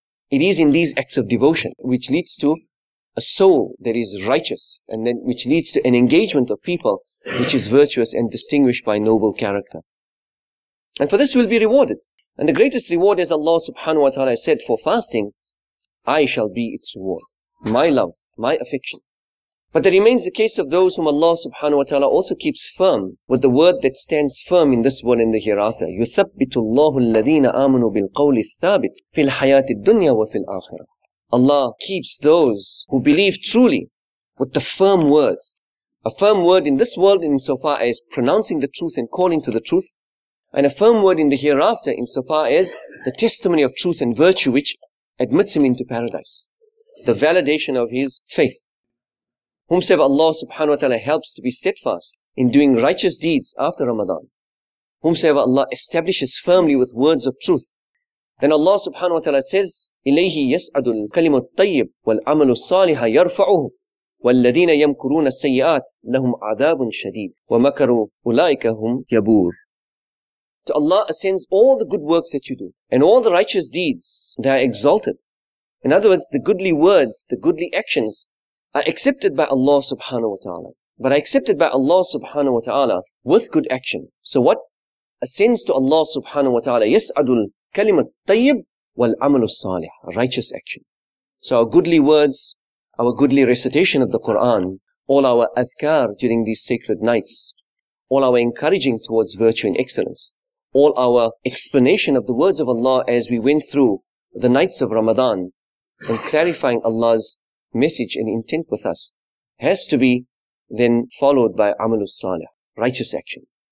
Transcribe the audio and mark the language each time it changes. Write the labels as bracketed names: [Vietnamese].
[English] It is in these acts of devotion which leads to a soul that is righteous and then which leads to an engagement of people which is virtuous and distinguished by noble character. And for this we'll be rewarded. And the greatest reward, as Allah subhanahu wa ta'ala said, for fasting, I shall be its reward. My love, my affection. But there remains the case of those whom Allah subhanahu wa ta'ala also keeps firm with the word that stands firm in this world and the hereafter. [Arabic] يُثَبِّتُ اللَّهُ الَّذِينَ آمَنُوا بِالْقَوْلِ الثَّابِتِ فِي الْحَيَاةِ الدُّنْيَا وَفِي الْآخِرَةِ [English] Allah keeps those who believe truly with the firm word. A firm word in this world insofar as pronouncing the truth and calling to the truth. And a firm word in the hereafter insofar as the testimony of truth and virtue which admits him into paradise. The validation of his faith. Whomsoever Allah subhanahu wa ta'ala helps to be steadfast in doing righteous deeds after Ramadan. Whomsoever Allah establishes firmly with words of truth. Then Allah subhanahu wa ta'ala says, [Arabic] إِلَيْهِ يَسْعَدُ الْكَلِمُ الطَّيِّبُ وَالْعَمَلُ الصَّالِحَ يَرْفَعُهُ وَالَّذِينَ يَمْكُرُونَ السَّيِّئَاتِ لَهُمْ عَذَابٌ شَدِيدٌ وَمَكَرُوا أُولَٰئِكَ هُمْ يَبُورٌ [English] To Allah ascends all the good works that you do and all the righteous deeds that are exalted. In other words, the goodly words, the goodly actions are accepted by Allah subhanahu wa ta'ala. But are accepted by Allah subhanahu wa ta'ala with good action. So what ascends to Allah subhanahu wa ta'ala? [Arabic] يَسْعَدُ الْكَلِمُ الطَّيِّبُ وَالْعَمَلُ الصَّالِحُ [English] Righteous action. So our goodly words, our goodly recitation of the Qur'an, all our adhkar during these sacred nights, all our encouraging towards virtue and excellence, all our explanation of the words of Allah as we went through the nights of Ramadan and clarifying Allah's message and intent with us has to be then followed by amalus salih, righteous action.